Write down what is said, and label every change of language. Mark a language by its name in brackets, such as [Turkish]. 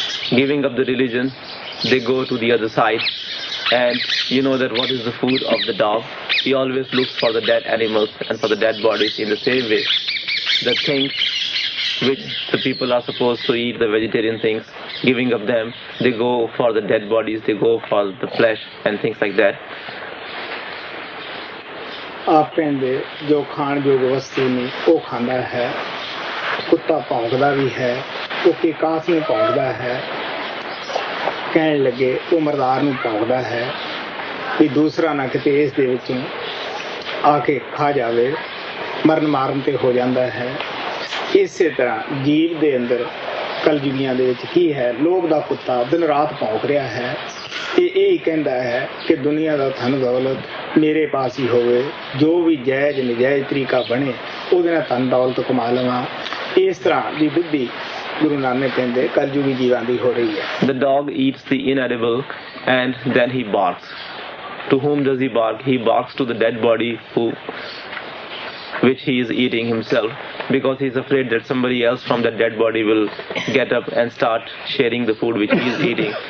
[English] Giving up the religion, they go to the other side, and you know that what is the food of the dog? He always looks for the dead animals and for the dead bodies in the same way. The things which the people are supposed to eat, the vegetarian things, giving up them, they go for the dead bodies, they go for the flesh and things like that. [Punjabi] ਆਪ ਕਹਿੰਦੇ ਜੋ ਖਾਣ ਯੋਗ ਵਸਤੂ ਨੇ ਉਹ ਖਾਂਦਾ ਹੈ, ਕੁੱਤਾ ਭੌਂਕਦਾ ਵੀ ਹੈ, ਉਹ ਕੇਕਾਸ ਨੂੰ ਭੌਂਕਦਾ ਹੈ, ਕਹਿਣ ਲੱਗੇ ਉਹ ਮਰਦਾਰ ਨੂੰ ਭੌਂਕਦਾ ਹੈ ਕਿ ਦੂਸਰਾ ਨਾ ਕਿਤੇ ਇਸ ਦੇ ਵਿੱਚੋਂ ਆ ਕੇ ਖਾ ਜਾਵੇ, ਮਰਨ ਮਾਰਨ 'ਤੇ ਹੋ ਜਾਂਦਾ ਹੈ। ਇਸੇ ਤਰ੍ਹਾਂ ਜੀਵ ਦੇ ਅੰਦਰ ਕਲਯੁਗੀਆਂ ਦੇ ਵਿੱਚ ਕੀ ਹੈ, ਲੋਕ ਦਾ ਕੁੱਤਾ ਦਿਨ ਰਾਤ ਭੌਂਕ ਰਿਹਾ ਹੈ। ਇਹ ਹੀ ਕਹਿੰਦਾ ਹੈ ਕਿ ਦੁਨੀਆਂ ਦਾ ਧਨ ਦੌਲਤ ਮੇਰੇ ਪਾਸ ਹੀ ਹੋਵੇ, ਜੋ ਵੀ ਜਾਇਜ਼ ਨਜਾਇਜ਼ ਤਰੀਕਾ ਬਣੇ ਉਹਦੇ ਨਾਲ ਧਨ ਦੌਲਤ ਕਮਾ ਲਵਾਂ। ਇਸ ਤਰ੍ਹਾਂ ਦੀ ਬੁੱਧੀ ਗੁਰੂ ਨਾਨਕ ਕਹਿੰਦੇ ਕਲਯੁਗੀ ਜੀਵਾਂ ਦੀ ਹੋ ਰਹੀ ਹੈ। [English] The dog eats the inedible and then he barks. To whom does he bark? He barks to the dead body which he is eating himself, because he is afraid that somebody else from that dead body will get up and start sharing the food which he is eating.